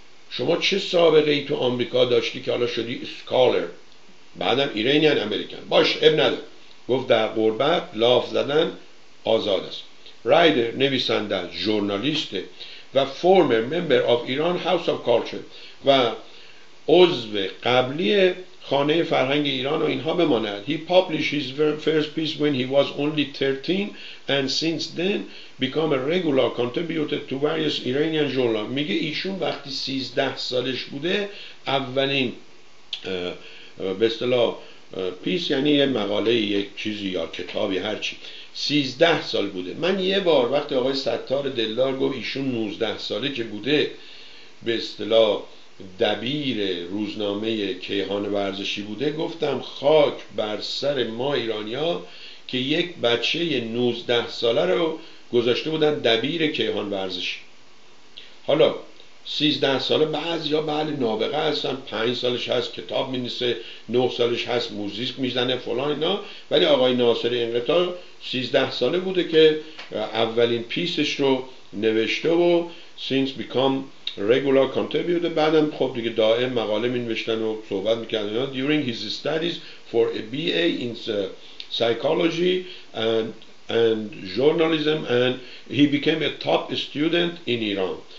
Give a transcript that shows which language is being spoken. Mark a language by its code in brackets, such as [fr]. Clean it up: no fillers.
[fa] شما چه سابقه ای تو آمریکا داشتی که حالا شدی اسکالر؟ بعدم ایرانیان امریکن باش اب نده. گفت در غربت لاف زدن آزاد است. رایدر نویسنده جورنالیست و فورمر ممبر آف ایران هاوس آف کالچر و عضو قبلی خانه فرهنگ ایران و اینها بماند. [en] He published his first piece when he was only 13 and since then become a regular contributor to various Iranian journal. [fa] میگه ایشون وقتی 13 سالش بوده اولین به اصطلاح پیس، یعنی یه مقاله یک چیزی یا کتابی هرچی، 13 سال بوده. من یه بار وقتی آقای ستار دلدار گفت ایشون 19 ساله که بوده به اصطلاح دبیر روزنامه کیهان ورزشی بوده، گفتم خاک بر سر ما ایرانیا که یک بچه 19 ساله رو گذاشته بودن دبیر کیهان ورزشی. حالا 13 ساله بعضیا بله نابغه هستن، 5 سالش هست کتاب می‌نویسه، 9 سالش هست موزیک می‌زنه فلان اینا، ولی آقای ناصر انقطاع 13 ساله بوده که اولین پیسش رو نوشته و [en] since become regular contributor. [fa] بعدم خب دیگه دائم مقاله می‌نوشتن و صحبت می‌کردن. [en] During his studies for a BA in psychology and journalism and he became a top student in Iran.